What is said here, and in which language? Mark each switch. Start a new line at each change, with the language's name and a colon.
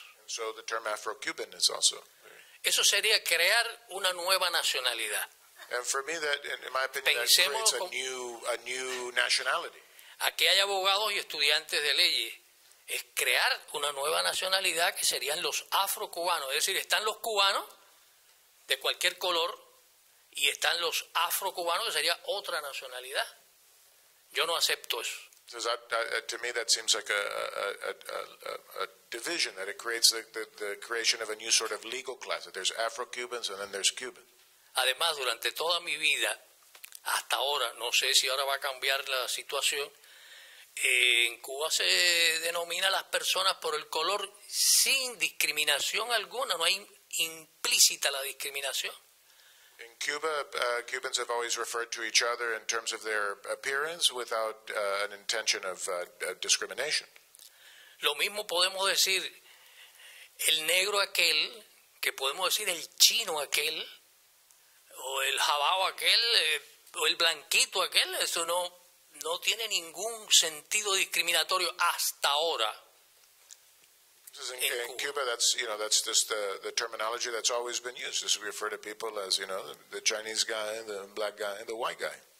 English: And so the term Afro-Cuban is also.
Spanish: Eso sería crear una nueva nacionalidad.
English: And for me, that, in my opinion, that creates a new nationality.
Spanish: Aquí hay abogados y estudiantes de leyes. Es crear una nueva nacionalidad que serían los afrocubanos. Es decir, están los cubanos de cualquier color y están los afrocubanos, que sería otra nacionalidad. Yo no acepto eso.
English: To me that seems like a division, that it creates the creation of a new sort of legal class, that there's Afro-Cubans and then there's Cubans.
Spanish: Además, durante toda mi vida, hasta ahora, no sé si ahora va a cambiar la situación, en Cuba se denomina a las personas por el color sin discriminación alguna, no hay implícita la discriminación.
English: In Cuba, Cubans have always referred to each other in terms of their appearance without an intention of discrimination.
Spanish: Lo mismo podemos decir el negro aquel, que podemos decir el chino aquel, o el jabao aquel, o el blanquito aquel, eso no tiene ningún sentido discriminatorio hasta ahora.
English: In Cuba, that's just the terminology that's always been used. Just refer to people as, the Chinese guy, the black guy, the white guy.